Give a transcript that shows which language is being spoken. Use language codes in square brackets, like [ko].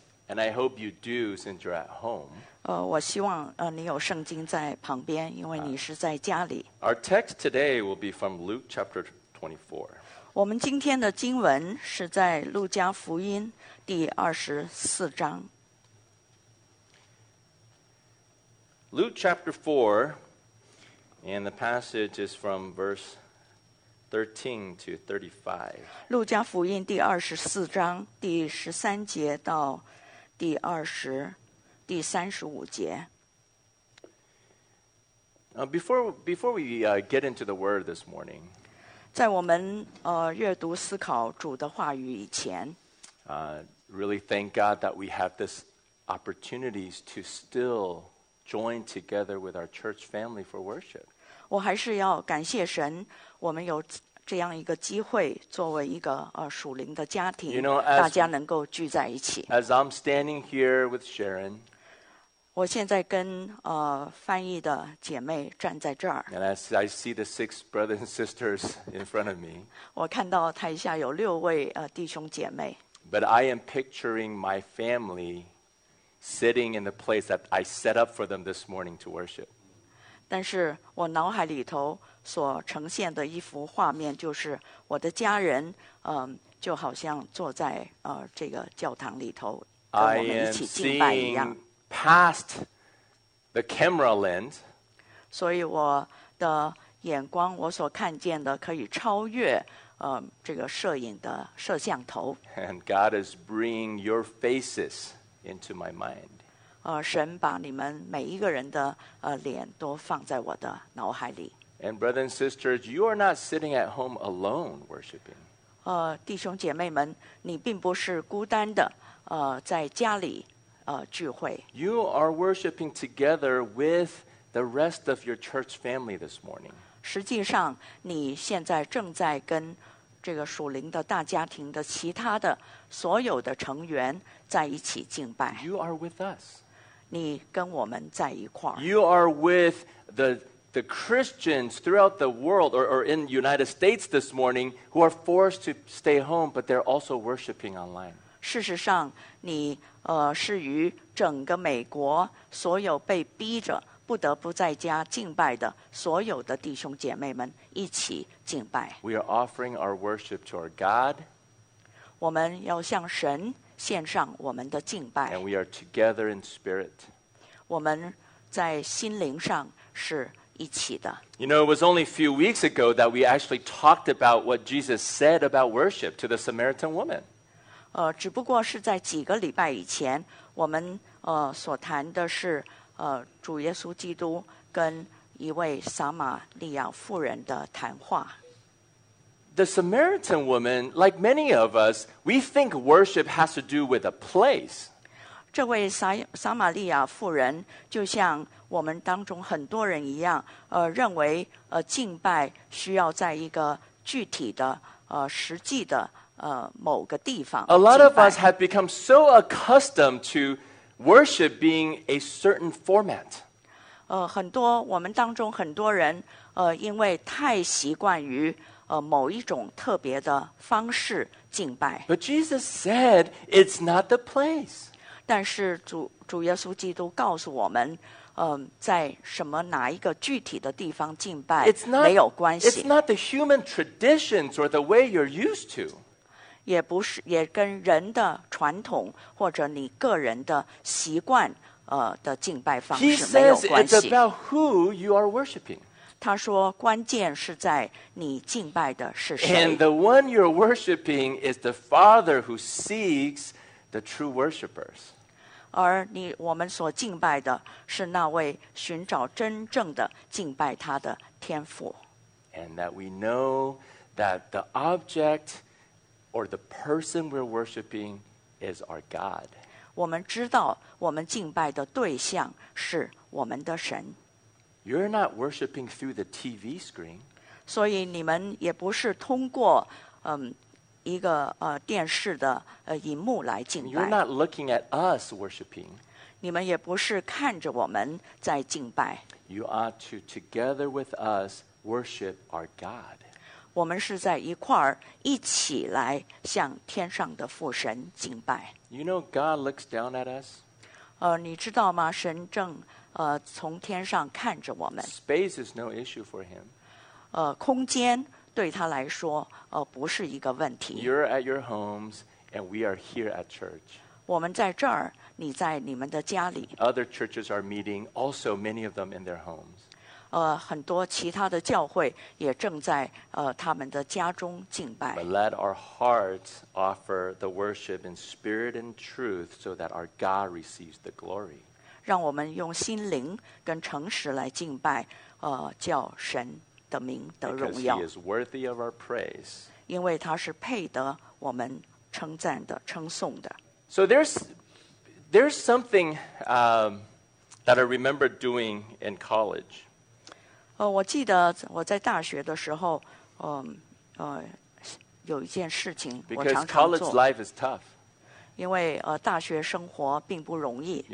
[en] and I hope you do since you're at home, [zh] 我希望你有圣经在旁边，因为你是在家里。 [en] Our text today will be from Luke chapter 24. [zh] 我们今天的经文是在路加福音第二十四章。 [en] Luke chapter 4, and the passage is from verse 13 to 35. [zh] 路加福音第二十四章第十三节到第二十第三十五节。 [en] Before we get into the word this morning, [zh] 在我们阅读思考主的话语以前 [en] really thank God that we have this opportunities to still join together with our church family for worship. [zh] 我还是要感谢神，我们有这样一个机会，作为一个属灵的家庭，大家能够聚在一起。 [en] As I'm standing here with Sharon, [zh] 我现在跟翻译的姐妹站在这儿。 [en] And as I see the six brothers and sisters in front of me, [zh] 我看到台下有六位弟兄姐妹。 [en] But I am picturing my family sitting in the place that I set up for them this morning to worship. [zh] 但是我脑海里头所呈现的一幅画面就是我的家人就好像坐在这个教堂里头跟我们一起敬拜一样。 [en] I am seeing past the camera lens. [zh] 所以我的眼光我所看见的可以超越这个摄影的摄像头。 [en] And God is bringing your faces into my mind. [zh] 神把你们每一个人的脸都放在我的脑海里。 [en] And brothers and sisters, you are not sitting at home alone worshiping. [zh] 弟兄姐妹们，你并不是孤单的在家里聚会。 [en] You are worshiping together with the rest of your church family this morning. [zh] 实际上，你现在正在跟这个属灵的大家庭的其他的所有的成员在一起敬拜。 [en] You are with us. [zh] 你跟我们在一块儿。 [en] You are with the Christians throughout the world or in the United States this morning who are forced to stay home, but they're also worshiping online. [zh] 事实上，你是与整个美国所有被逼着不得不在家敬拜的所有的弟兄姐妹们一起敬拜。 [en] We are offering our worship to our God. [zh] 我们要向神献上我们的敬拜。 [en] And we are together in spirit. [zh] 我们在心灵上是一起的。 [en] You know, it was only a few weeks ago that we actually talked about what Jesus said about worship to the Samaritan woman. [zh] 只不过是在几个礼拜以前，我们所谈的是主耶稣基督跟一位撒玛利亚妇人的谈话。 [en] The Samaritan woman, like many of us, we think worship has to do with a place. [zh] 这位撒玛利亚妇人就像我们当中很多人一样认为敬拜需要在一个具体的实际的某个地方。 [en] A lot of us have become so accustomed to worship being a certain format. [zh] 很多我们当中很多人因为太习惯于某一种特别的方式敬拜。 [en] But Jesus said it's not the place. [zh] 但是主耶稣基督告诉我们在什么哪一个具体的地方敬拜没有关系。 [en] It's not the human traditions or the way you're used to. [zh] 也不是也跟人的传统或者你个人的习惯的敬拜方式没有关系。 [en] He says it's about who you are worshiping. [zh] 他说关键是在你敬拜的是谁。 [en] And the one you're worshiping is the Father who seeks the true worshipers. [zh] 而我们所敬拜的是那位寻找真正的敬拜他的天父。 [en] And that we know that the object or the person we're worshiping is our God. [zh] 我们知道我们敬拜的对象是我们的神。 [en] You're not worshiping through the TV screen. [zh] 所以你们也不是通过一个电视的荧幕来敬拜。 [en] You're not looking at us worshiping. [zh] 你们也不是看着我们在敬拜。 [en] You ought to, together with us, worship our God. [zh] 我们是在一块儿一起来向天上的父神敬拜。 [en] You know, God looks down at us. [zh] 你知道吗？神正从天上看着我们。 [en] Space is no issue for him. [zh] 空间对他来说不是一个问题。 [en] You're at your homes, and we are here at church. [zh] 我们在这儿，你在你们的家里。 [en] Other churches are meeting, also many of them in their homes. [zh] 很多其他的教会也正在他们的家中敬拜。 [en] But let our hearts offer the worship in spirit and truth so that our God receives the glory. [zh] 让我们用心灵跟诚实来敬拜叫神的名得荣耀。 [en] Because he is worthy of our praise. [zh] 因为他是配得我们称赞的称颂的。 [en] So there's something that I remember doing in college. [zh] 我记得我在大学的时候有一件事情我常常做。 [en] Because college life is tough. [zh] 因为大学生活并不容易。